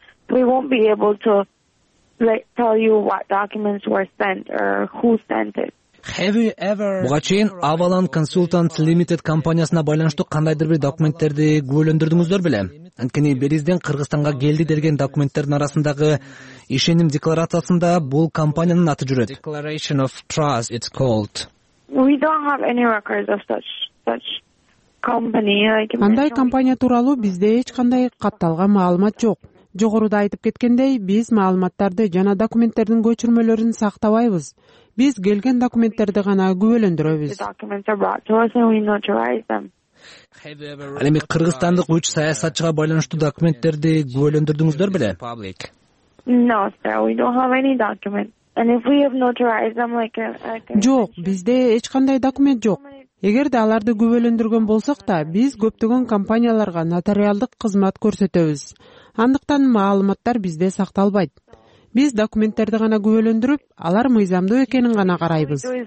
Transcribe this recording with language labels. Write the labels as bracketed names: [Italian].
[English] We won't be able to tell you what documents were sent or who sent it. [Kyrgyz] Буга чейин Avalon Consultants Limited компаниясына байланыштуу кандайдыр бир документтерди күбөлөндүрдүңүздөр беле? Анткени Белизден Кыргызстанга келди деген документтердин арасындагы ишеним декларациясында бул компаниянын аты жүрөт. [English] Declaration of trust it's called. We don't have any records of such company. [Kyrgyz] Андай компания тууралуу бизде эч кандай катталган маалымат жок. Жогоруда айтып кеткендей, биз маалыматтарды жана документтердин көчүрмөлөрүн сактабайбыз. Биз келген документтерди гана күбөлөндүрөбүз. Ал эми кыргызстандык үч саясатчыга байланыштуу документтерди күбөлөндүрдүңүздөр беле? [English] No, sir, we don't have any document. And if we have notarized them like [Kyrgyz] Жок, бизде эч кандай документ жок. Эгерде аларды күбөлөндүргөн болсок да, биз көптөгөн компанияларга нотариалдык кызмат көрсөтөбүз. Андыктан маалыматтар бизде сакталбайт. Биз документтерди гана күбөлөндүрүп, алар мыйзамдуу экенин гана карайбыз.